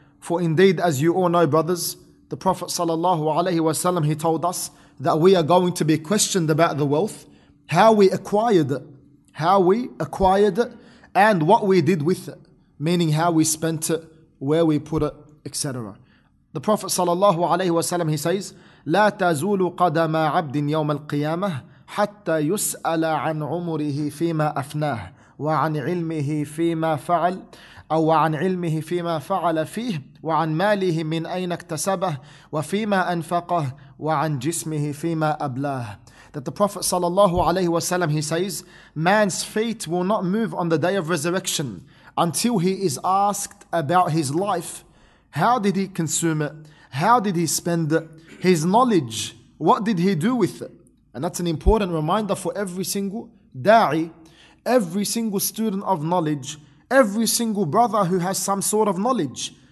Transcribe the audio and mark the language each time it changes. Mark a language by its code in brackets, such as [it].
[en] For indeed, as you all know, brothers, the Prophet sallallahu alaihi wasallam, he told us that we are going to be questioned about the wealth, how we acquired it, how we acquired it, and what we did with it, meaning how we spent it, where we put it, etc. The Prophet sallallahu alaihi wasallam, he says, [ar] لا تزول قدم عبد يوم القيامة حتى يسأل عن عمره فيما أفناه وعن علمه فيما فعل أو عن علمه فيما فعل فيه وعن ماله من أين اكتسبه وفيما أنفقه وعن جسمه فيما أبلاه. [en] That the Prophet sallallahu alaihi wasallam, he says, man's feet will not move on the day of resurrection until he is asked about his life. How did he consume it? How did he spend it? His knowledge, what did he do with it? And that's an important reminder for every single da'i, every single student of knowledge, every single brother who has some sort of knowledge.